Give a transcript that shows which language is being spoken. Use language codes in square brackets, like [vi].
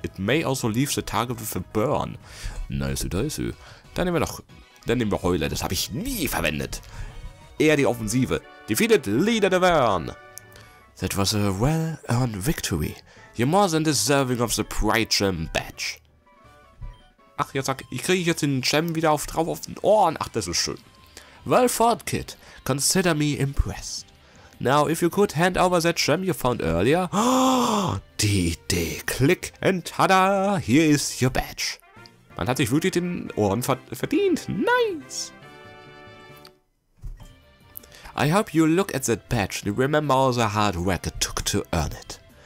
[en] It may also leave the target with a burn. [de] Nice, nice. Dann nehmen wir Heule. Das habe ich nie verwendet. Eher die Offensive. [en] Defeated Leader Devern. That was a well-earned victory. You're more than deserving of the Pride Gem Badge. [de] Ach, kriege ich jetzt den Gem wieder drauf auf den Ohren. Ach, das ist schön. [en] Well fought, kid. Consider me impressed. Now, if you could hand over that gem you found earlier. [de] Die Idee. [en] Click and tada. Here is your badge. [de] Man hat sich wirklich den Ohren verdient. [en] Nice. I hope you look at that badge and remember all the hard work it took to earn it.